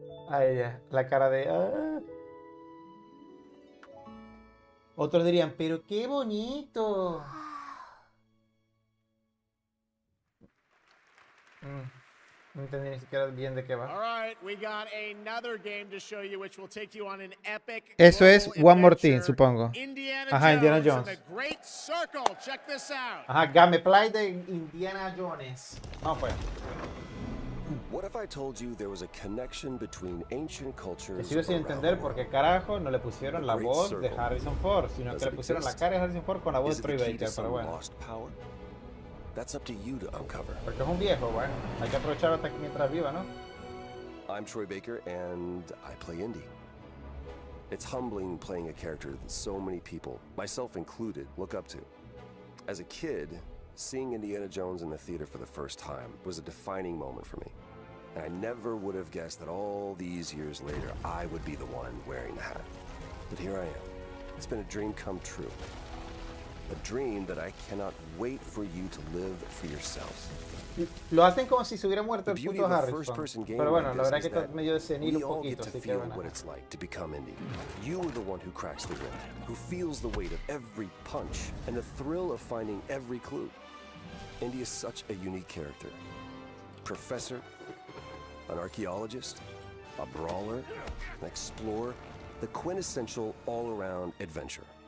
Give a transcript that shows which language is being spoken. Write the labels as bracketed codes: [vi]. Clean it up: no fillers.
[es] A ella, la cara de... ¡Ah! Otros dirían, pero qué bonito. No entendí ni siquiera bien de qué va. [en] All right, we got another game to show you, which will take you on an epic. [es] Eso es One More Thing, supongo. [en] Indiana Jones. The Great Circle. Check this out. [es] Ajá, gameplay de Indiana Jones. No fue. [en] What if I told you there was a connection between ancient cultures? [es] Sigo sin entender por qué carajo no le pusieron la voz de Harrison Ford, sino que le pusieron la cara de Harrison Ford con la voz de Troy Baker, pero bueno. [en] That's up to you to uncover. [es] Porque es un viejo, bueno. Hay que aprovechar hasta que mientras viva, ¿no? [en] I'm Troy Baker and I play Indy. It's humbling playing a character that so many people, myself included, look up to. As a kid, seeing Indiana Jones in the theater for the first time was a defining moment for me. And I never would have guessed that all these years later, I would be the one wearing the hat. But here I am. It's been a dream come true. A dream that I cannot wait for you to live for yourself. [es] Lo hacen como si se hubiera muerto el puto Harrison. Pero bueno, la verdad es que está medio de senil un poquito, así que bueno. [en] What it's like to become indie. You are the one who cracks the whip, who feels the weight of every punch and the thrill of finding every clue. Indy is such a unique character. Professor, an archaeologist, a brawler, an explorer, the quintessential all-around adventurer.